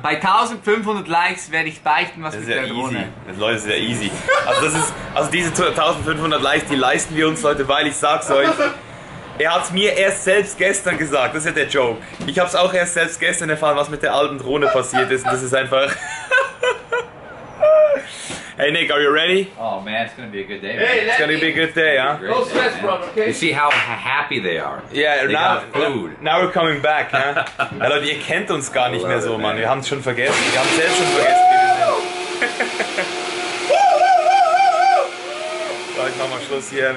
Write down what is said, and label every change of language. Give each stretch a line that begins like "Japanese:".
German: bei 1500 Likes werde ich beichten, was mit der Drohne... Das ist ja easy. Leute, das ist ja easy. Also diese 1500 Likes, die leisten wir uns, Leute, weil ich sag's euch... Er hat es mir erst selbst gestern gesagt, das ist ja der Joke. Ich habe es auch erst selbst gestern erfahren, was mit der alten Drohne passiert ist. Und das ist einfach...
English: Hey Nick, are you ready? Oh man, it's gonna be a good day. Man. Hey, it's gonna be a good day, huh? No stress, bro, okay? You see how happy they are. Yeah, they now, food. Now we're coming back, huh?
German: Ja, Leute, ihr kennt uns gar nicht mehr so, it, man. Wir haben es schon vergessen. Wir haben es selbst schon vergessen. Woo! Woo, woo, woo, woo, woo. So, ich mach mal Schluss hier.